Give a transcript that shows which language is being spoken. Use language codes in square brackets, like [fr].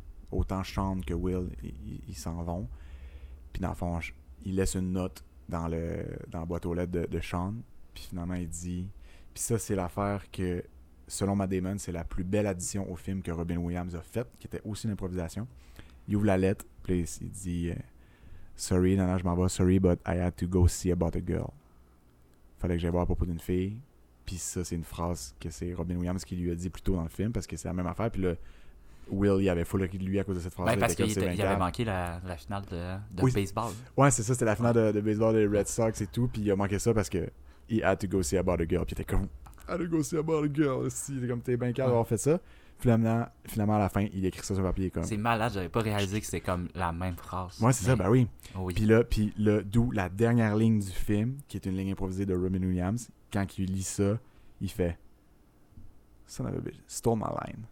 [fr] Autant Sean que Will, ils s'en vont. Puis dans le fond, ils laissent une note dans la boîte aux lettres de Sean. Puis finalement, il dit... Puis ça, c'est l'affaire que, selon Matt Damon, c'est la plus belle addition au film que Robin Williams a faite, qui était aussi une improvisation. Il ouvre la lettre, puis il dit... [en] Sorry, [fr] nana, je m'en vais. [en] Sorry, but I had to go see about a girl. [fr] Fallait que j'aille voir à propos d'une fille. Puis ça, c'est une phrase que c'est Robin Williams qui lui a dit plus tôt dans le film, parce que c'est la même affaire. Puis là, Will, il avait full ri de lui à cause de cette phrase-là. Parce qu'il avait manqué la finale de baseball. Ouais, c'est ça, c'était la finale de baseball des Red Sox et tout. Puis il a manqué ça parce que [en] he had to go see about a girl. [fr] Puis il était comme, [en] I had to go see about a girl. [fr] Si, il était comme, t'es bien calme d'avoir fait ça. Finalement, à la fin, il écrit ça sur papier. Comme... C'est malade, j'avais pas réalisé que c'était comme la même phrase. Ouais, c'est mais... ça, ben oui. Oui. Puis là, d'où la dernière ligne du film, qui est une ligne improvisée de Robin Williams, quand il lit ça, il fait [en] Son of a bitch, stole my line.